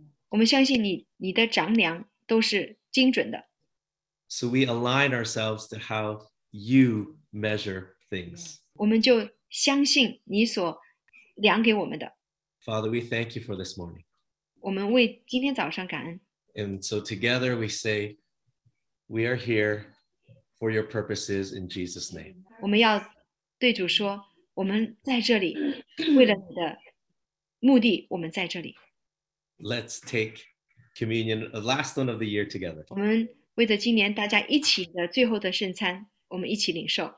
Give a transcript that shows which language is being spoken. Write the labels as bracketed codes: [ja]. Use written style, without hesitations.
[zh] 我们相信你的丈量都是精准的。 [en] So we align ourselves to how you measure things. [zh] 我们就相信你所量给我们的。 [en] Father, we thank you for this morning. [zh] 我们为今天早上感恩。 [en] And so together we say, we are here. For your purposes in Jesus' name. [zh] 我们要对主说，我们在这里，为了你的目的，我们在这里。 [en] Let's take communion, the last one of the year together. [zh] 我们为着今年大家一起的最后的圣餐，我们一起领受。